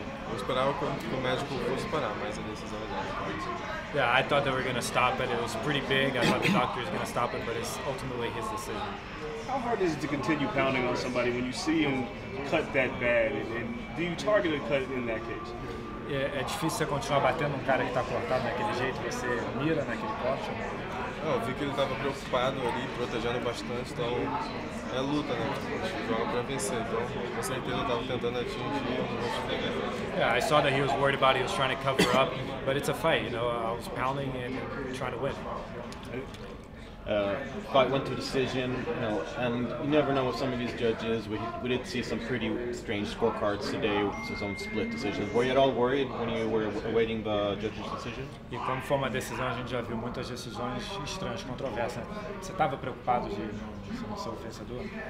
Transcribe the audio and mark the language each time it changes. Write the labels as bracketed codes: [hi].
[pt] Eu esperava que o médico fosse parar, mas a decisão é dela. [en] Yeah, I thought they were going to stop it. It was pretty big. I thought the doctor was going to stop it, but it's ultimately his decision. How hard is it to continue pounding on somebody when you see him cut that bad? And do you target a cut in that case? [pt] É difícil você continuar batendo um cara que está cortado daquele jeito, você mira naquele corte? Eu vi que ele estava preocupado ali, protegendo bastante, então é luta, né? Joga para vencer, então com certeza eu estava tentando atingir um monte de pegar. [en] Yeah, I saw that he was worried about it, he was trying to cover up, but it's a fight, you know, I was pounding and trying to win. Fight went to decision, you know, and you never know with some of these judges. We did see some pretty strange scorecards today, some split decisions. Were you at all worried when you were awaiting the judge's decision? [pt] E como foi uma decisão, a gente já viu muitas decisões estranhas, controversas. Você estava preocupado de não ser o vencedor?